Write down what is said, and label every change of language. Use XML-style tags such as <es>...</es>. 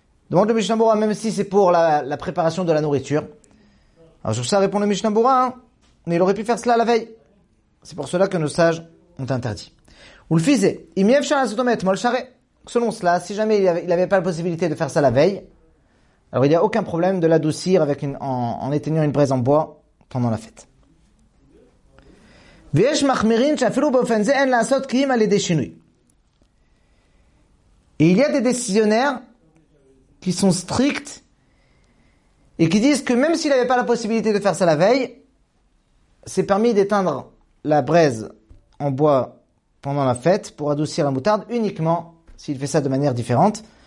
<fr>Demande le Mishnah Berurah, même si c'est pour la préparation de la nourriture. Alors sur ça répond le Mishnah Berurah, hein, mais il aurait pu faire cela la veille. C'est pour cela que nos sages ont interdit. Ou le fizet, selon cela, si jamais il avait pas la possibilité de faire ça la veille, alors il n'y a aucun problème de l'adoucir avec en éteignant une braise en bois pendant la fête.</fr> <he>ויש מחמירים שאפילו באופן זה אין לעשות קיים על ידי שינוי.</he> <fr>Et il y a des décisionnaires qui sont stricts et qui disent que même s'il n'avait pas la possibilité de faire ça la veille, c'est permis d'éteindre la braise en bois pendant la fête pour adoucir la moutarde uniquement s'il fait ça de manière différente.</fr>